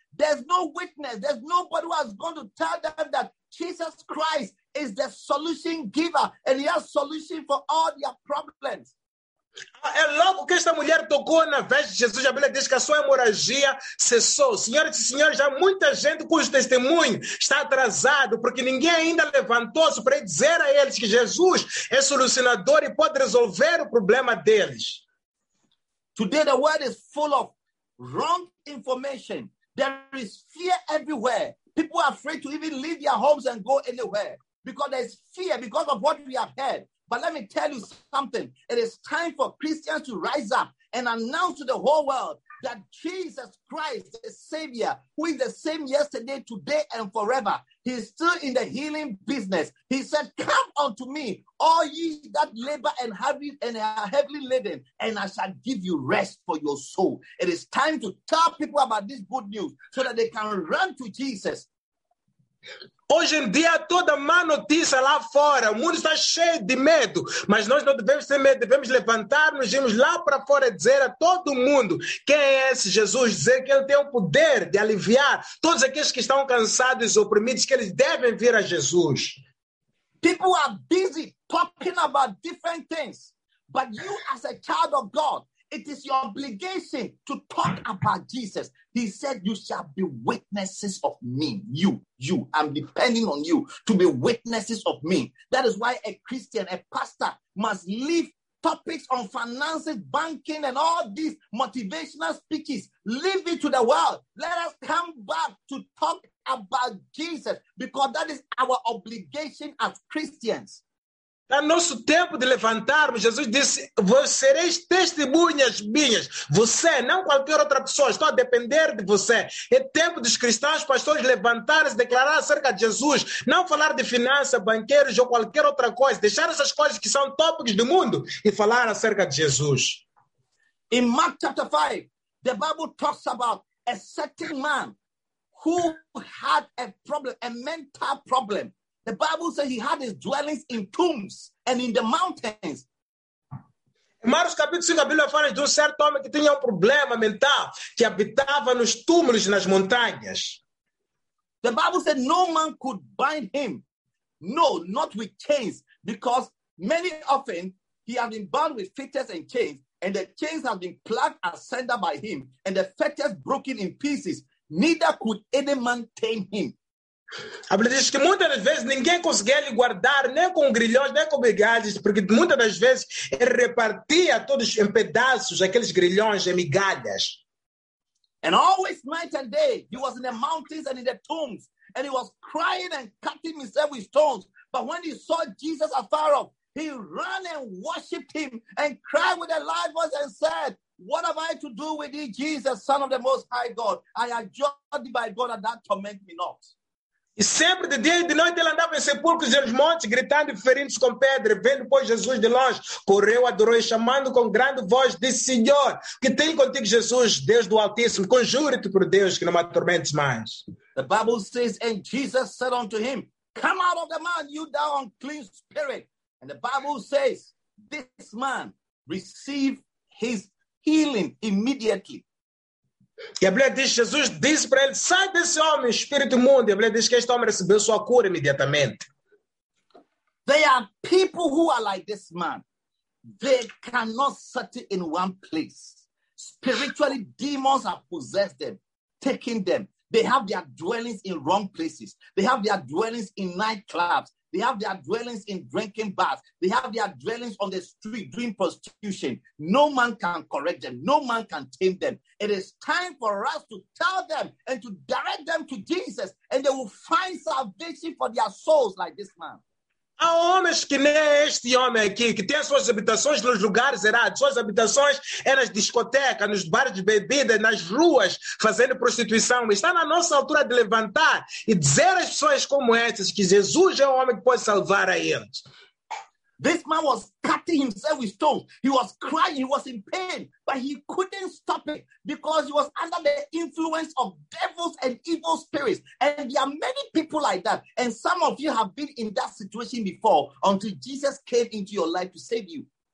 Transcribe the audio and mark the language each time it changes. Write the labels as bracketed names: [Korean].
[English] There's no witness. There's nobody who has gone to tell them that Jesus Christ is the solution giver and he has solution for all their problems. [Portuguese] É logo que esta mulher tocou na veste de Jesus, a Bíblia diz que a sua hemorragia cessou. Senhoras e senhores, há muita gente cujo testemunho está atrasado, porque ninguém ainda levantou-se para dizer a eles que Jesus é solucionador e pode resolver o problema deles. [English] Today the world is full of wrong information. There is fear everywhere. People are afraid to even leave their homes and go anywhere because there is fear because of what we have heard. But let me tell you something. It is time for Christians to rise up and announce to the whole world that Jesus Christ, the Savior, who is the same yesterday, today, and forever, he is still in the healing business. He said, come unto me, all ye that labor and heavy and are heavily laden, and I shall give you rest for your soul. It is time to tell people about this good news so that they can run to Jesus. [Portuguese] Hoje em dia, toda má notícia lá fora, o mundo está cheio de medo, mas nós não devemos ter medo, devemos levantar-nos, irmos lá para fora e dizer a todo mundo quem é esse Jesus, dizer que ele tem o poder de aliviar todos aqueles que estão cansados e oprimidos, que eles devem vir a Jesus. [English] People are busy talking about different things, but you as a child of God, it is your obligation to talk about Jesus. He said, you shall be witnesses of me. You. I'm depending on you to be witnesses of me. That is why a Christian, a pastor, must leave topics on finances, banking, and all these motivational speeches. Leave it to the world. Let us come back to talk about Jesus because that is our obligation as Christians. [Portuguese] É nosso tempo de levantarmos. Jesus disse, vocês testemunhas minhas. Você, não qualquer outra pessoa. Estou a depender de você. É tempo dos cristãos, pastores, levantarem-se, declarar acerca de Jesus. Não falar de finanças, banqueiros ou qualquer outra coisa. Deixar essas coisas que são tópicos do mundo e falar acerca de Jesus. [English] In Mark chapter 5, the Bible talks about a certain man who had a problem, a mental problem. The Bible says he had his dwellings in tombs and in the mountains. [Portuguese] Marcos capítulo 5, a Bíblia fala de um certo homem que tinha um problema mental, que habitava nos túmulos e nas montanhas. [English] The Bible said no man could bind him. No, not with chains, because many often he had been bound with fetters and chains, and the chains had been plucked asunder by him, and the fetters broken in pieces. Neither could any man tame him. [Portuguese] A Bíblia diz que muitas das vezes ninguém conseguia lhe guardar, nem com grilhões, nem com migalhas, porque muitas das vezes ele repartia todos em pedaços aqueles grilhões e migalhas. [English] And always night and day, he was in the mountains and in the tombs, and he was crying and cutting himself with stones. But when he saw Jesus afar off, he ran and worshipped him and cried with a loud voice and said, what have I to do with thee, Jesus, Son of the Most High God? I adjure thee by God that thou torment me not. [Portuguese] E sempre de dia e de noite ele andava em sepulcros e nos montes, gritando e ferindo-se com pedra. Vendo, pois, Jesus de longe, correu, adorou e chamando com grande voz, disse, Senhor, que tenho contigo, Jesus, Deus do Altíssimo, conjure-te por Deus que não me atormentes mais. [English] The Bible says, and Jesus said unto him, come out of the man, you thou unclean spirit. And the Bible says, this man received his healing immediately. [Portuguese] E a Bíblia diz, Jesus disse para ele, sai desse homem, espírito imundo. E a Bíblia diz que este homem recebeu sua cura imediatamente. [English] There are people who are like this man. They cannot settle in one place. Spiritually, demons have possessed them, taking them. They have their dwellings in wrong places. They have their dwellings in nightclubs. They have their dwellings in drinking bars. They have their dwellings on the street doing prostitution. No man can correct them. No man can tame them. It is time for us to tell them and to direct them to Jesus, and they will find salvation for their souls like this man. [Portuguese] Há homens que nem este homem aqui, que tem as suas habitações nos lugares errados, suas habitações é nas discotecas, nos bares de bebida, nas ruas, fazendo prostituição. Está na nossa altura de levantar e dizer às pessoas como estas que Jesus é o homem que pode salvar a eles. [English] This man was cutting himself with stones. He was crying, he was in pain, but he couldn't stop it because he was under the influence of devils and evil spirits. And there are many people like that. And some of you have been in that situation before until Jesus came into your life to save you.